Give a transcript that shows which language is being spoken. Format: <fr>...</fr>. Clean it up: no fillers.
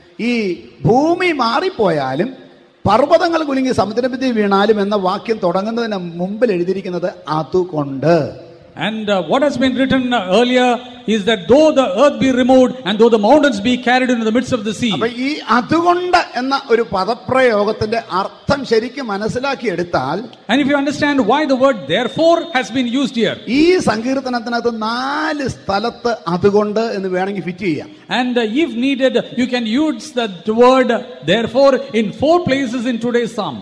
<ml>ഈ ഭൂമി മാറിപ്പോയാലും പർവ്വതങ്ങൾ കുലുങ്ങി സമുദ്രമധ്യേ വീണാലും എന്ന വാക്യം തുടങ്ങുന്നതിന് മുമ്പിൽ എഴുതിയിരിക്കുന്നത് അതുകൊണ്ട്.</ml> <en>And what has been written earlier is that though the earth be removed and though the mountains be carried into the midst of the sea.</en> <ml>அப்ப ഈ അതുകൊണ്ട് എന്ന ഒരു പദപ്രയോഗത്തിന്റെ അർത്ഥം ശരിക്കും മനസ്സിലാക്കി എടുത്താൽ.</ml> <en>And if you understand why the word therefore has been used here.</en> <ml>ഈ സങ്കീർത്തനത്തിനത്ത് നാല് സ്ഥലത്ത് അതുകൊണ്ട് എന്ന് വേണമെങ്കിൽ ഫിറ്റ് ചെയ്യാം.</ml> <en>And if needed you can use the word therefore in four places in today's psalm.</en>